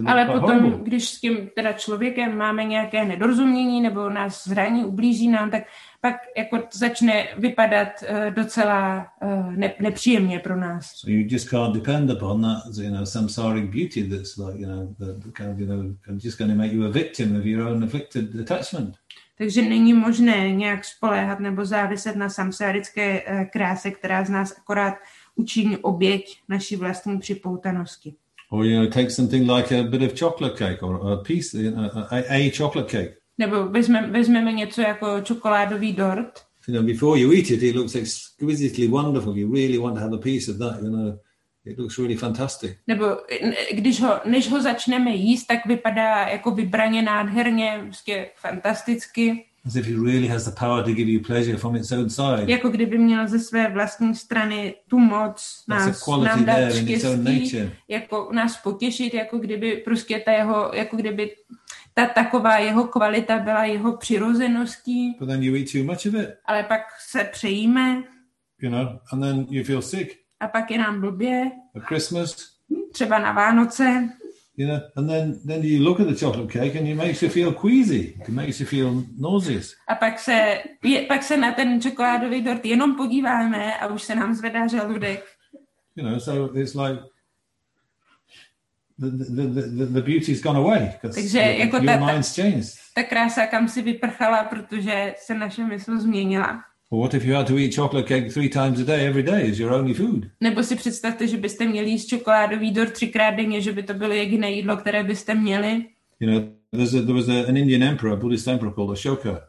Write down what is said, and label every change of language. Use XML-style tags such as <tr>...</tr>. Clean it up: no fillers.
<cs>Ale potom, když s tím teda člověkem máme nějaké nedorozumění nebo nás zraní, ublíží nám, tak pak jako začne vypadat docela nepříjemně pro nás.</cs> <en>So you just can't depend upon that, you know, samsaric beauty that's like, you know, that kind of just going to make you a victim of your own afflicted attachment.</en> <cs>Takže není možné nějak spoléhat nebo záviset na samsarické kráse, která z nás akorát učiní oběť naší vlastní připoutanosti.</cs> <en>Or you know, take something like a bit of chocolate cake or a piece, you know, a chocolate cake.</en> <cs>Nebo vezmeme něco jako čokoládový dort.</cs> <en>You know, before you eat it, it looks exquisitely wonderful. You really want to have a piece of that, you know. It looks really fantastic.</en> <cs>Nebo než ho začneme jíst, tak vypadá jako vybraně nádherně, prostě fantasticky.</cs> <en>As if he really has the power to give you pleasure from its own side.</en> <cs>Jako kdyby měl ze své vlastní strany tu moc nám dát štěstí, jako nás potěšit, jako kdyby prostě ta jeho, jako kdyby ta taková jeho kvalita byla jeho přirozeností.</cs> <en>But then you eat too much of it.</en> <cs>Ale pak se přejíme.</cs> <en>You know, and then you feel sick.</en> <cs>A pak je nám blbě.</cs> <en>At Christmas.</en> <cs>Třeba na Vánoce.</cs> <en>You know, and then you look at the chocolate cake and it makes you feel queasy. It makes you feel nauseous.</en> <cs>A pak se na ten čokoládový dort jenom podíváme a už se nám zvedá žaludek.</cs> <en>You know, so it's like the beauty's gone away because your mind's changed.</en> <cs>Ta krása kam si vyprchala, protože se naše mysl změnila.</cs> <en>Or what if you had to eat chocolate cake 3 times a day, every day, is your only food?</en> <cs>Nebo si představte, že byste měli jíst čokoládový dort 3x denně, že by to bylo jediné jídlo, které byste měli.</cs> <en>You know, there was an Indian emperor, a Buddhist emperor called Ashoka.</en>